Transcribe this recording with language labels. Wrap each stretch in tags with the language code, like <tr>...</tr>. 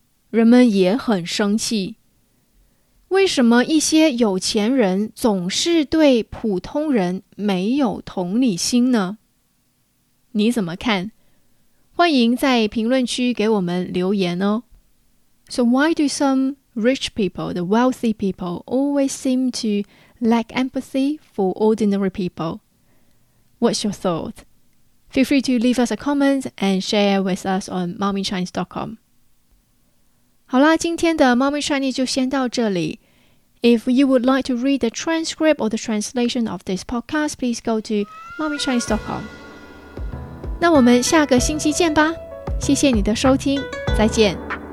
<zh>人们也很生气，为什么一些有钱人总是对普通人没有同理心呢？你怎么看？欢迎在评论区给我们留言哦。</zh> <en>So why do some rich people, the wealthy people, always seem to lack empathy for ordinary people? What's your thought? Feel free to leave us a comment and share with us on mommychinese.com.</en> <zh>好啦，今天的 Mommy Chinese 就先到这里。</zh> <en>If you would like to read the transcript or the translation of this podcast, please go to mommychinese.com.</en> <zh>那我们下个星期见吧。谢谢你的收听，再见。</zh>